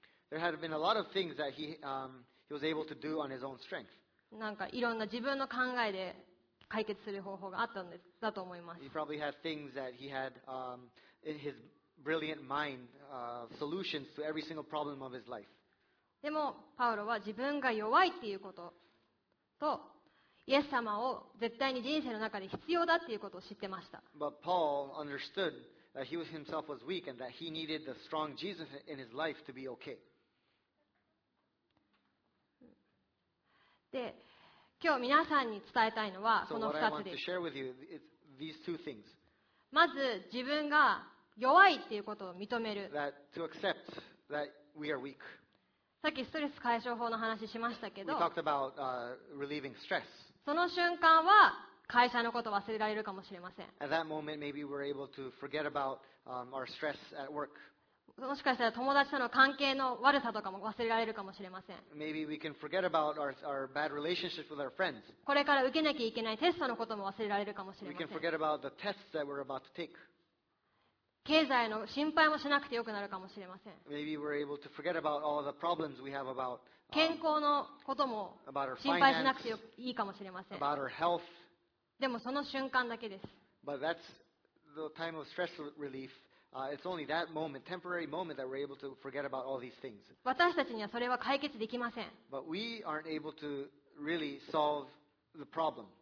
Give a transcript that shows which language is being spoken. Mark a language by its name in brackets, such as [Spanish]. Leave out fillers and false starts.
[English] There had been a lot of things that he was able to do on his own strength. [Japanese] なんかいろんな自分の考えで解決する方法があったんですだと思います。 [English] He probably had things that he had in his brilliant mind solutions to every single problem of his life. [Japanese] でもパウロは自分が弱いっていうこととイエス様を絶対に人生の中で必要だっていうことを知ってました。 [English] But Paul understood that he himself was weak and that he needed the strong Jesus in his life to be okay. [Japanese] で、今日皆さんに伝えたいのはこの2つです。 [English] So what I want to share with you is these two things. [Japanese] まず自分が弱いっていうことを認める。 [English] That to accept that we are weak. [Japanese] さっきストレス解消法の話しましたけど [English] We talked about, relieving stress. [Japanese] その瞬間は会社のことを忘れられるかもしれません。 [English] At that moment, maybe we're able to forget about, our stress at work. [Japanese] もしかしたら友達との関係の悪さとかも忘れられるかもしれません。 [English] Maybe we can forget about our bad relationship with our friends. [Japanese] これから受けなきゃいけないテストのことも忘れられるかもしれません。 [English] We can forget about the tests that we're about to take. [Japanese] 経済の心配もしなくてよくなるかもしれません。 [English] Maybe we're able to forget about all the problems we have about [Japanese] 健康のことも心配しなくてよいいかもしれません。 [English] About our health. [Japanese] でもその瞬間だけです。 [English] But that's the time of stress relief. It's only that moment, temporary moment that we're able to forget about all these things. [Japanese] 私たちにはそれは解決できません。 [English] But we aren't able to really solve the problem.